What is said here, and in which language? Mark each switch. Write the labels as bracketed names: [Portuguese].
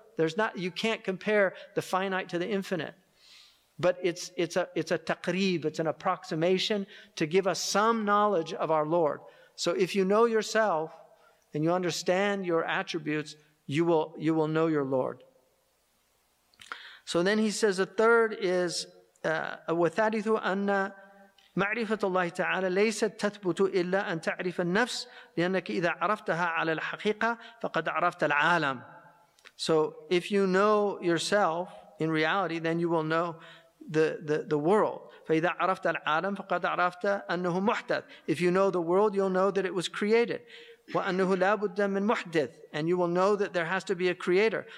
[English] There's not, you can't compare the finite to the infinite. But it's a taqrib, it's an approximation to give us some knowledge of our Lord. So if you know yourself, and you understand your attributes, you will know your Lord. So then he says the third is [Arabic] وَثَالِثُ أَنَّ مَعْرِفَةُ اللَّهِ تَعَالَى لَيْسَتْ تَثْبُتُ إِلَّا أَن تَعْرِفَ النَّفْسِ لِأَنَّكَ إِذَا عَرَفْتَهَا عَلَى الْحَقِيقَةِ فَقَدْ عَرَفْتَ الْعَالَمِ. [English] So if you know yourself in reality, then you will know the world. [Arabic] فَإِذَا عَرَفْتَ الْعَالَمِ فَقَدْ عَرَفْتَ أَنَّهُ مُحْدَثُ. [English] If you know the world, you'll know that it was created. [Arabic] وَأَنَّهُ لَا بُدَّ مِنْ مُحْدِثٍ. [English] And you will know that there has to be a creator.